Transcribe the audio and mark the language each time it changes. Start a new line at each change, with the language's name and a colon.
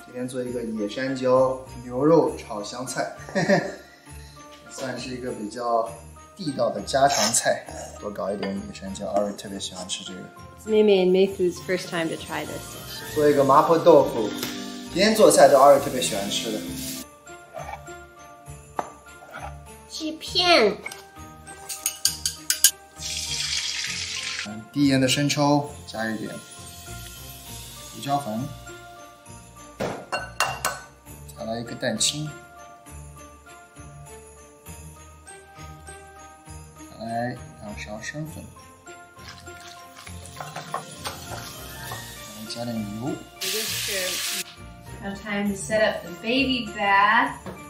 Chinese: 今天做一个野山椒牛肉炒香菜，算是一个比较地道的家常菜。多搞一点野山椒，阿瑞特别喜欢吃这个。
English: 妹妹 and Mayfu's first time to try this dish.
Chinese: 做一个麻婆豆腐。今天做菜都阿瑞特别喜欢吃的。切片。低盐的生抽，加一点胡椒粉，再来一个蛋清，再来两勺生粉，再来加点油。
English: Now time to set up the baby bath.